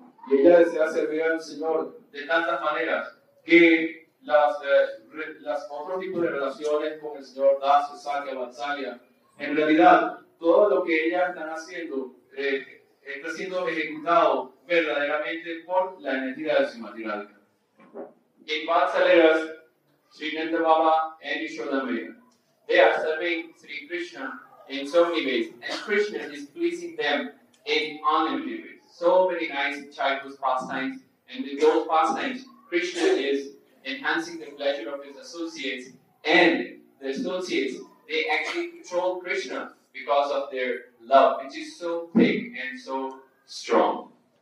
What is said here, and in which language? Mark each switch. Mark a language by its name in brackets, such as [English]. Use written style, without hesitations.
[Spanish] Y ella desea servir al Señor de tantas maneras que las otro tipo de relaciones con el Señor Dasya, Sakya, Vatsalya, en realidad todo lo que ellas están haciendo está siendo ejecutado verdaderamente por la energía de Srimati Radhika. [English] En Vatsalyas, Sri Nanda Baba and Yashoda Maya, they are serving Sri Krishna in so many ways, and Krishna is pleasing them in unlimited ways. So many nice childhood pastimes, and with those pastimes, Krishna is enhancing the pleasure of his associates, and the associates, they actually control Krishna because of their love, which is so thick and so strong.